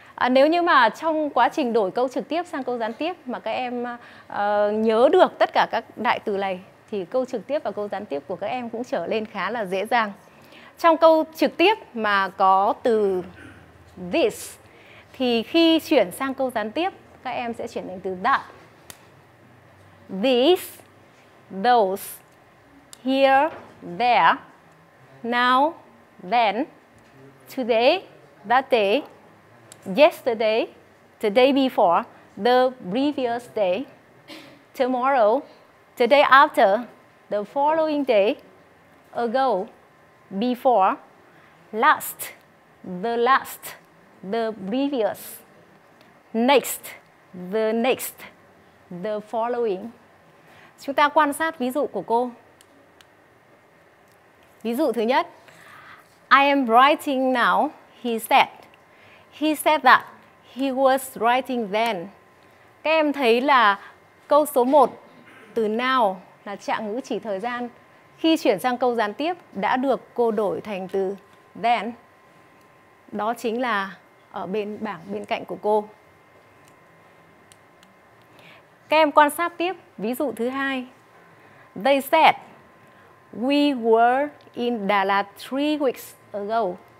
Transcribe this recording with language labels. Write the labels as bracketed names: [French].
[Vietnamese] Nếu như mà trong quá trình đổi câu trực tiếp sang câu gián tiếp mà các em nhớ được tất cả các đại từ này thì câu trực tiếp và câu gián tiếp của các em cũng trở lên khá là dễ dàng. Trong câu trực tiếp mà có từ this thì khi chuyển sang câu gián tiếp các em sẽ chuyển thành từ that. [English] These, those, here, there, now, then, today, that day, yesterday, the day before, the previous day, tomorrow, the day after, the following day, ago, before, last, the last, the previous, next, the next, the following. [Vietnamese] Chúng ta quan sát ví dụ của cô. Ví dụ thứ nhất, [English] I am writing now, he said. He said that he was writing then. [Vietnamese] Các em thấy là câu số 1, từ now, là trạng ngữ chỉ thời gian, khi chuyển sang câu gián tiếp đã được cô đổi thành từ then. Đó chính là ở bên bảng bên cạnh của cô. Các em quan sát tiếp ví dụ thứ hai. [English] They said we were in Đà Lạt 3 weeks ago.